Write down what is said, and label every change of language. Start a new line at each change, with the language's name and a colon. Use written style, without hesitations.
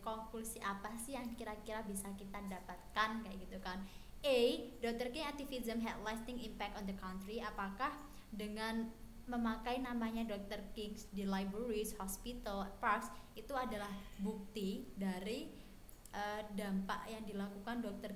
Indonesian: Konklusi apa sih yang kira-kira bisa kita dapatkan, kayak gitu kan.
English: A, Dr. King activism had lasting impact on the country.
Indonesian: Apakah dengan memakai namanya Dr. King's di libraries, hospital, parks, itu adalah bukti dari dampak yang dilakukan Dr.